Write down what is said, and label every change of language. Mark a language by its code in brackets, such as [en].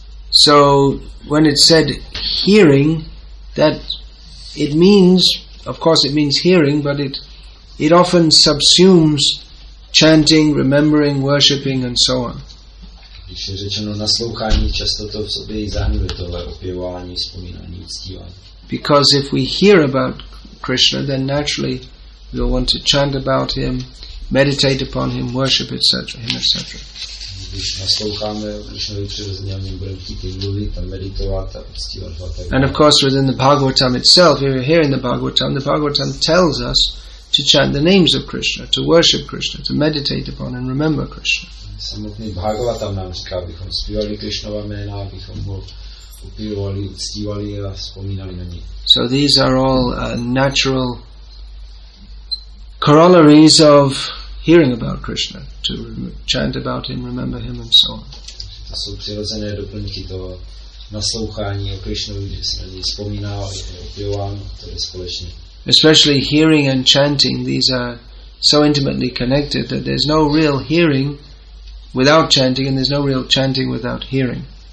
[en] So when it said hearing, that it means, of course it means hearing, but it often subsumes chanting, remembering, worshipping and so on. [cs] Když je řečeno naslouchání, často to v sobě i zahrnuje tohle opěvování, vzpomínání, uctívání. [en] Because if we hear about Krishna, then naturally we'll want to chant about him, meditate upon him, worship etc. him, etc. [cs] Když nasloucháme Krishnovi přirozeně, a my budeme chtít mluvit a meditovat a uctívat. [en] And of course within the Bhagavatam itself, if you're hearing the Bhagavatam tells us to chant the names of Krishna, to worship Krishna, to meditate upon and remember Krishna. [cs] Samotný Bhagavatam nám říká, abychom zpívali Krishnova jména, abychom ho upívali, uctívali a vzpomínali na ní. [en] So these are all natural corollaries of hearing about Krishna, to chant about him, remember him and so on. [cs] To jsou přirozené doplňky toho naslouchání o Krishnovi, že se na něj vzpomíná, upíván, to je společně. [en] Especially hearing and chanting, these are so intimately connected that there's no real hearing without chanting, and there's no real chanting without hearing.